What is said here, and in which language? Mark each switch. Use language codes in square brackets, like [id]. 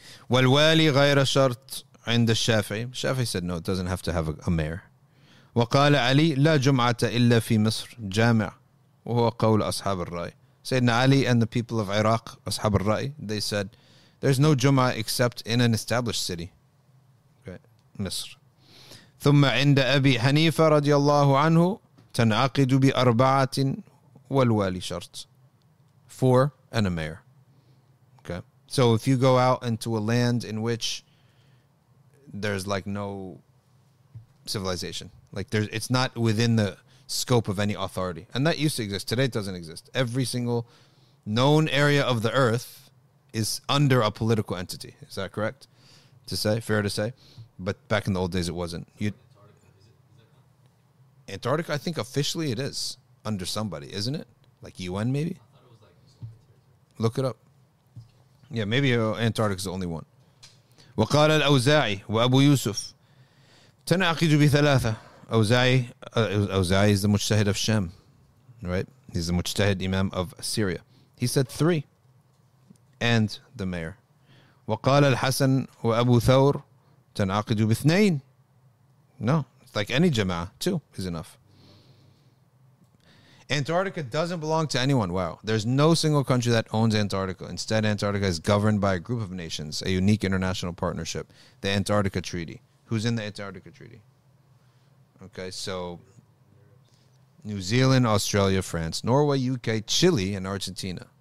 [ar] والوالي غير شرط عند الشافعي. [en] Shafi said, no, it doesn't have to have a mayor. [ar] وقال علي لا جمعة إلا في مصر جامع. وهو قول أصحاب الرأي. [en] Sayyidina Ali and the people of Iraq, أصحاب الرأي, they said, there's no جمعة except in an established city. Okay. مصر. [ar] ثم عند أبي حنيفة رضي الله عنه تنعقد بأربعة والوالي شرط. [en] Four and a mayor. So if you go out into a land in which there's like no civilization, like there's, it's not within the scope of any authority. And that used to exist. Today it doesn't exist. Every single known area of the earth is under a political entity. Is that correct to say? Fair to say? But back in the old days it wasn't. Antarctica, I think officially it is under somebody, isn't it? Like UN maybe? Look it up. Yeah, maybe Antarctica is the only one. [ar] وقال الأوزاعي وأبو يوسف تنعقد بثلاثة. [en] أوزاعي is the mujtahid of Sham, right? He's the mujtahid imam of Syria. He said three, and the mayor. [ar] وقال الحسن وأبو ثور تنعقد باثنين. [en] No, it's like any jama'ah, two is enough. Antarctica doesn't belong to anyone. Wow. There's no single country that owns Antarctica. Instead, Antarctica is governed by a group of nations, a unique international partnership, the Antarctica Treaty. Who's in the Antarctica Treaty? Okay, so New Zealand, Australia, France, Norway, UK, Chile, and Argentina.